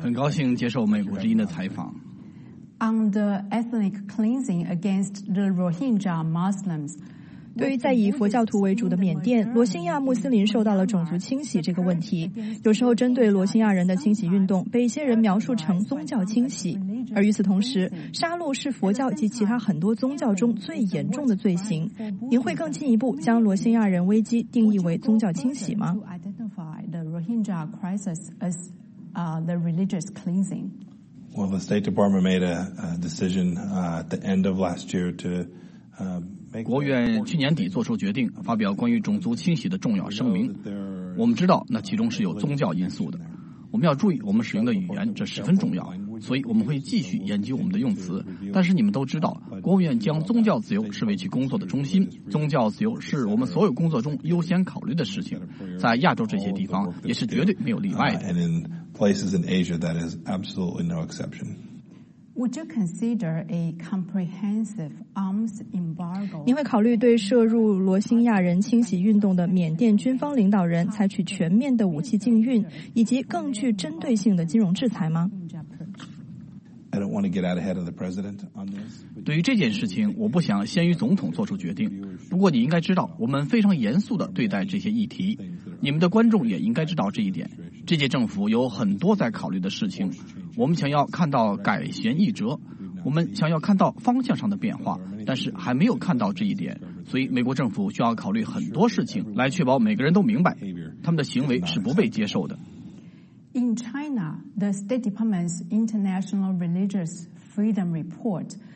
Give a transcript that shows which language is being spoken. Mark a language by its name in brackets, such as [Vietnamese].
[Chinese] 很高兴接受美国之音的采访。 [English] On the ethnic cleansing against the Rohingya Muslims. [Chinese] 对于在以佛教徒为主的缅甸，罗兴亚穆斯林受到了种族清洗这个问题，有时候针对罗兴亚人的清洗运动被一些人描述成宗教清洗。而与此同时，杀戮是佛教及其他很多宗教中最严重的罪行。您会更进一步将罗兴亚人危机定义为宗教清洗吗？ [English] Well, the State Department made a decision at the end of last year to. [Chinese] 国务院去年底做出决定，发表关于种族清洗的重要声明。我们知道那其中是有宗教因素的，我们要注意我们使用的语言，这十分重要，所以我们会继续研究我们的用词。但是你们都知道，国务院将宗教自由视为其工作的中心，宗教自由是我们所有工作中优先考虑的事情，在亚洲这些地方也是绝对没有例外的。 [English] And in places in Asia that is absolutely no exception Would you consider a comprehensive arms embargo? [Chinese] 你会考虑对涉入罗兴亚人清洗运动的缅甸军方领导人采取全面的武器禁运，以及更具针对性的金融制裁吗？ [English] I don't want to get out ahead of the president on this. [Chinese] 对于这件事情，我不想先于总统做出决定。不过你应该知道，我们非常严肃地对待这些议题。你们的观众也应该知道这一点。这届政府有很多在考虑的事情。我们想要看到改弦易辙，我们想要看到方向上的变化，但是还没有看到这一点，所以美国政府需要考虑很多事情来确保每个人都明白他们的行为是不被接受的。 [English] In China, the State Department's International Religious Freedom Report